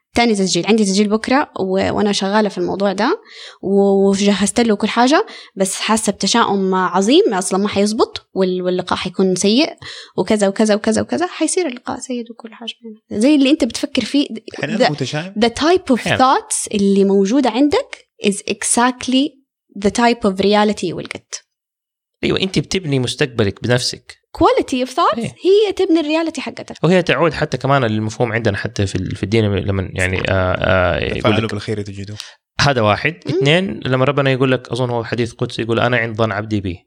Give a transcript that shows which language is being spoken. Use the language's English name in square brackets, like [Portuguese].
[Arabic] تاني تسجيل عندي تسجيل بكرة وأنا شغالة في الموضوع ده وجهزت له كل حاجة بس حاسة بتشاؤم عظيم أصلاً ما حيزبط واللقاء حيكون سيء وكذا وكذا وكذا وكذا حيصير اللقاء سيء وكل حاجة زي اللي أنت بتفكر فيه حلال متشائم؟ [English] the type of حلال. thoughts [Arabic] اللي موجودة عندك [English] is exactly the type of reality you will get [Arabic] أيوة أنت بتبني مستقبلك بنفسك [English] quality of thoughts [Arabic] إيه؟ هي تبني الرياليتي حقتك وهي تعود حتى كمان للمفهوم عندنا حتى في الدين لما يعني تفعلوا بالخير تجدوا هذا واحد اثنين لما ربنا يقول لك اظن هو حديث قدسي يقول انا عند ظن عبدي بي